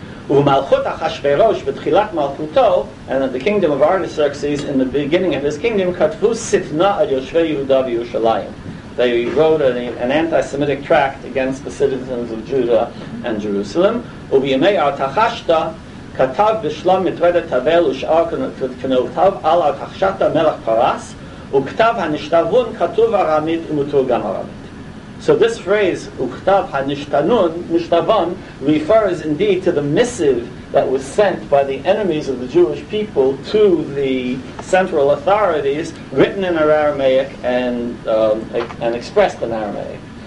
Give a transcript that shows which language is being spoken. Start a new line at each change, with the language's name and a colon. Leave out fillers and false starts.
English: ומלכות אחשוורוש בתחילת מלכותו, and that the kingdom of Artaxerxes in the beginning of his kingdom כתבו סתנה על יושבי יהודה וירושלים. They wrote an anti-Semitic tract against the citizens of Judah and Jerusalem.
Hebrew: ובימי ארתחשתא כתב בשלום מטרדת תבל ושאר כנותיו על ארתחשתא מלך פרס, וכתב הנשתבון כתוב ארמית ומתורגם ארמית.
English: So this phrase, וכתב הנשתנון, נשתבון, refers indeed to the missive that was sent by the enemies of the Jewish people to the central authorities, written in Aramaic and expressed in Aramaic.